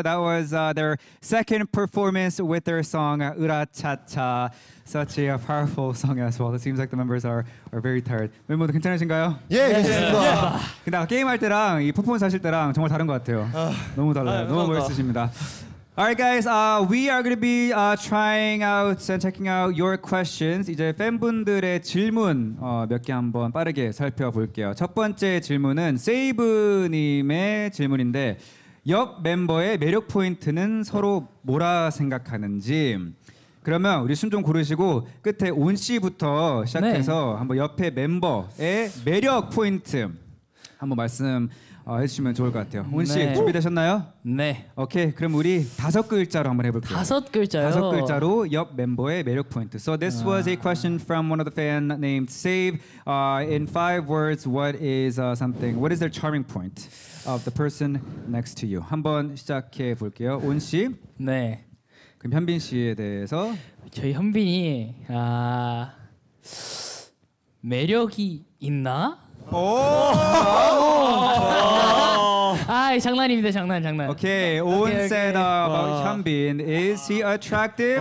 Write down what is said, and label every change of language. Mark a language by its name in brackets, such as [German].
[English] That was their second performance with their song, "으라차차." Such a powerful song as well. It seems like the members are very tired. [Korean] 멤버들 모두 괜찮으신가요? 예, 괜찮습니다. 근데 게임할 때랑 이 퍼포먼스 하실 때랑 정말 다른 것 같아요. 너무 달라요. 너무 멋있으십니다. [English] Alright, guys. We are going to be trying out and checking out your questions. [Korean] 이제 팬분들의 질문 몇 개 한번 빠르게 살펴볼게요. 첫 번째 질문은 세이브님의 질문인데, 옆 멤버의 매력 포인트는 서로 뭐라 생각하는지. 그러면 우리 순종 고르시고 끝에 온 씨부터 시작해서 네. 한번 옆에 멤버의 매력 포인트 한번 말씀. 해주시면 좋을 것 같아요. 온 씨 네. 준비되셨나요? 네. 오케이. 그럼 우리 다섯 글자로 한번 해볼게요. 다섯 글자요? 다섯 글자로 옆 멤버의 매력 포인트. [English] So this was a question from one of the fan named Save. In five words, what is something? What is their charming point of the person next to you? [Korean] 한번 시작해 볼게요. 온 씨. 네. 그럼 현빈 씨에 대해서. 저희 현빈이 매력이 있나? 오! 아이 장난입니다. 장난. [English] 오케이. Okay, okay, okay. 온 said about 현빈. Is he attractive?